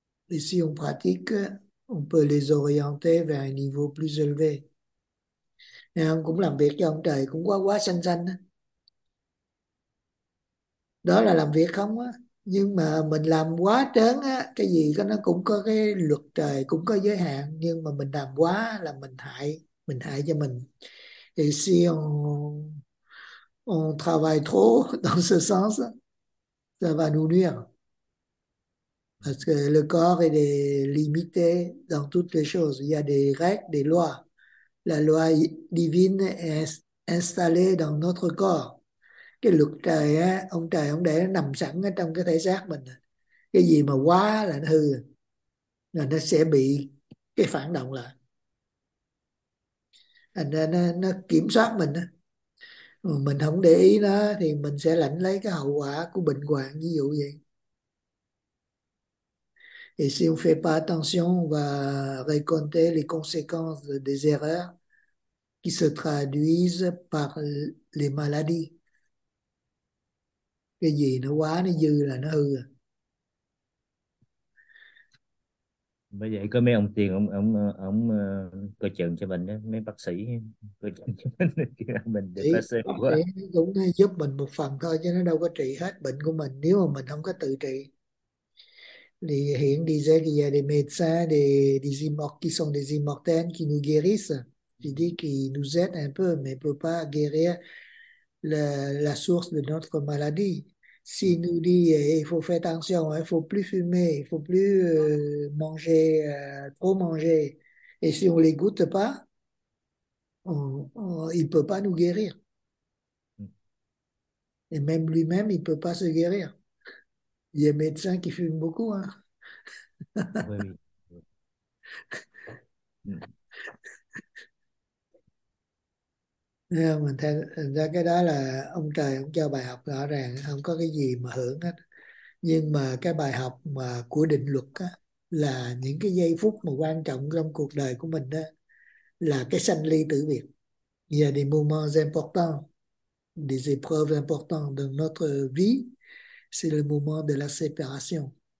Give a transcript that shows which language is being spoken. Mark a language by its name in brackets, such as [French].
[French] Et si on pratique, on peut les orienter vers un niveau plus élevé. [Vietnamese] Nè, cũng làm việc cho ông trời cũng quá quá xanh xanh đó. Đó là làm việc không á, nhưng mà mình làm quá trớn á, cái gì nó cũng có cái luật trời, cũng có giới hạn, nhưng mà mình làm quá là mình hại cho mình. [French] Et si on travaille trop dans ce sens, ça va nous nuire. Parce que le corps est limité dans toutes les choses. Il y a des règles, des lois. La loi divine est installée dans notre corps. [Vietnamese] Cái luật trời á, ông trời ông để nó nằm sẵn ở trong cái thể xác mình. Cái gì mà quá là nó hư, là nó sẽ bị cái phản động lại. Thành ra nó kiểm soát mình á. Mình không để ý nó thì mình sẽ lãnh lấy cái hậu quả của bệnh hoạn, ví dụ vậy. [French] Et si on ne fait pas attention, on va récolter les conséquences des erreurs qui se traduisent par les maladies. [Vietnamese] Cái gì nó quá, nó dư là nó hư. Bây giờ có mấy ông tiền ông coi chừng cho mình đó, mấy bác sĩ coi chừng cho mình được Thì bác sĩ quá. cũng giúp mình một phần thôi, chứ nó đâu có trị hết bệnh của mình nếu mà mình không có tự trị. [French] Les hiện disaient qu'il y a des médecins, qui sont des immortels, qui nous guérissent. J'ai dit qu'ils nous aident un peu, mais ils ne peuvent pas guérir la source de notre maladie. S'ils nous disent il faut faire attention, il faut plus fumer, il faut plus trop manger, et si on ne les goûte pas, il ne peut pas nous guérir. Et même lui-même, il ne peut pas se guérir. Il y a des médecins qui fument beaucoup, hein. Oui. [Vietnamese] Mình thấy ra cái đó là ông trời ông cho bài học rõ ràng, không có cái gì mà hưởng hết. Nhưng mà cái bài học mà của định luật á, là những cái giây phút mà quan trọng trong cuộc đời của mình đó, là cái sanh ly tử biệt. [French] Il y a des moments importants, des épreuves importantes dans notre vie, c'est le moment de la séparation.